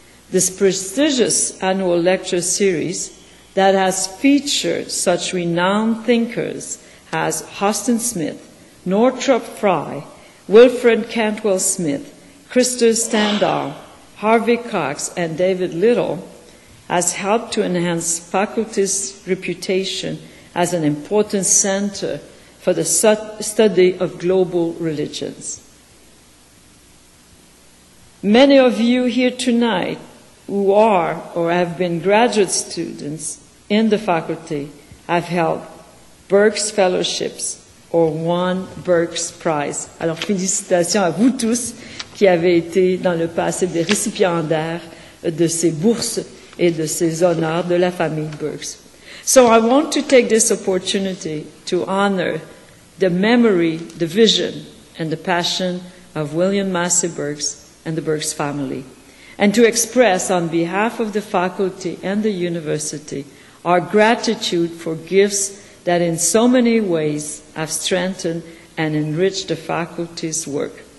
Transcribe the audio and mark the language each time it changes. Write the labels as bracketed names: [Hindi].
[English] This prestigious annual lecture series that has featured such renowned thinkers as Huston Smith, Northrop Frye, Wilfred Cantwell Smith, Christopher Standall, Harvey Cox, and David Little has helped to enhance faculty's reputation as an important center for the study of global religions. Many of you here tonight who are or have been graduate students in the faculty have held Burks Fellowships or won Burks Prize. [French] Alors, félicitations à vous tous qui avez été dans le passé des récipiendaires de ces bourses et de ces honneurs de la famille Burks. [English] So I want to take this opportunity to honor the memory, the vision, and the passion of William Massey Burks and the Burks family, and to express on behalf of the faculty and the university our gratitude for gifts that in so many ways have strengthened and enriched the faculty's work.